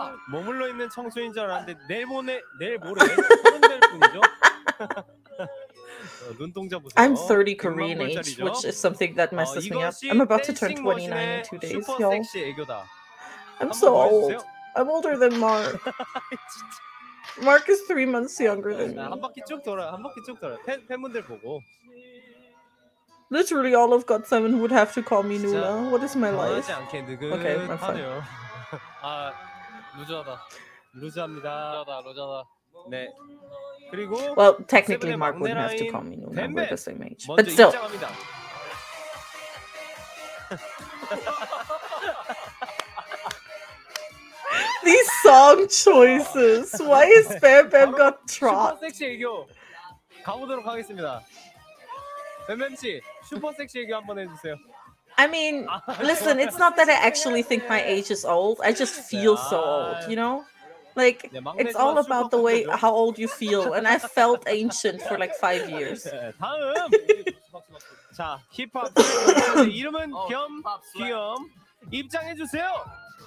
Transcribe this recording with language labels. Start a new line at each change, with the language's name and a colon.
Korean: 머물러 있는 청소인 줄 알았는데 내일 모레 소름 돋을 뿐이죠.
English: I'm 30 Korean age, which is something that messes me up. I'm about to turn 29 in 2 days, y'all. I'm so old. I'm older than Mark. Mark is 3 months younger than me.
Korean: 한 바퀴 쭉 돌아. 한 바퀴 쭉 돌아. 팬분들 보고.
English: Literally all of GOT7 would have to call me Nuna. What is my life? Okay, I'm fine.
Korean: 아, 루즈하다. 루즈합니다. 루즈하다, 루즈하다. 네. 그리고
English: well, technically Mark wouldn't have to call me Nuna. 뱀뱀. We're the same age. But still.
Korean: 먼저 입장합니다.
English: These song choices. Why is Bam Bam got trot?
Korean: 슈퍼섹시 애교. 가보도록 하겠습니다. 뱀뱀씨. 슈퍼섹시 얘기 한번 해주세요.
English: I mean, listen, it's not that I actually think my age is old. I just feel so old, you know? Like, it's all about the way how old you feel. And I felt ancient for like 5 years.
Korean: 다음! 자, 힙합 이름은 겸 귀염 입장해주세요!